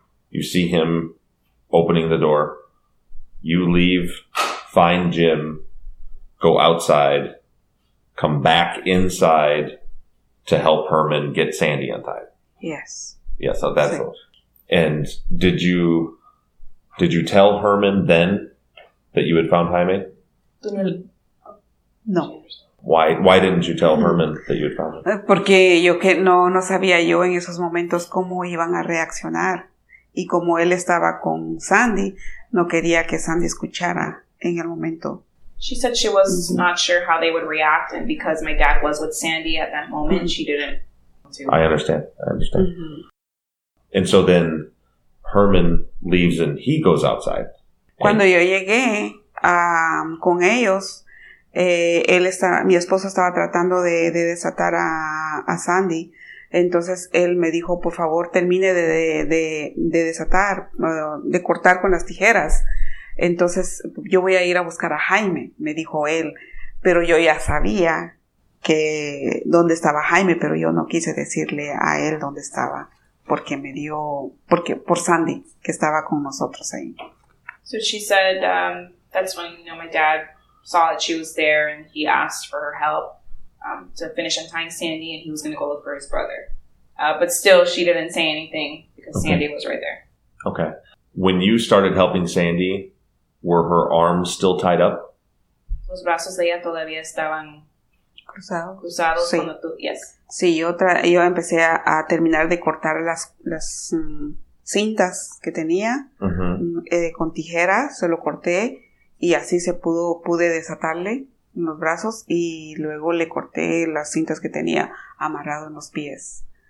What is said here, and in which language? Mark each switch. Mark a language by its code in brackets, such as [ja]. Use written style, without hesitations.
[en] You see him opening the door. You leave, find Jim, go outside, come back inside to help Herman get Sandy untied. Yes. Yeah, so that's it. And did you tell Herman then that you had found Jaime? No. Why didn't you tell Herman that you had found him? [es] Porque yo que no sabía yo en esos momentos cómo iban a reaccionar. Y como él estaba con Sandy, no quería que Sandy escuchara en el momento. [en] She said she was not sure how they would react, and because my dad was with Sandy at that moment, she didn't want to. I understand. Mm-hmm. And so then Herman leaves and he goes outside. [es] Cuando yo llegué con ellos, él estaba, mi esposo estaba tratando de desatar a Sandy. Entonces él me dijo, por favor, termine de desatar, de cortar con las tijeras. Entonces yo voy a ir a buscar a Jaime, me dijo él. Pero yo ya sabía que dónde estaba Jaime, pero yo no quise decirle a él dónde estaba. Porque me dio, porque por Sandy, que estaba con nosotros ahí. [en] So she said, that's when, you know, my dad saw that she was there and he asked for her help to finish untying Sandy, and he was going to go look for his brother. But still, she didn't say anything because Sandy was right there. Okay. When you started helping Sandy, were her arms still tied up? [es] Los brazos de ella todavía estaban cruzados. Sí. Cuando tú, yes. Sí, yo empecé a terminar de cortar las cintas que tenía con tijera, se lo corté y así pude desatarle los brazos y luego le corté las cintas que tenía amarrado en los pies.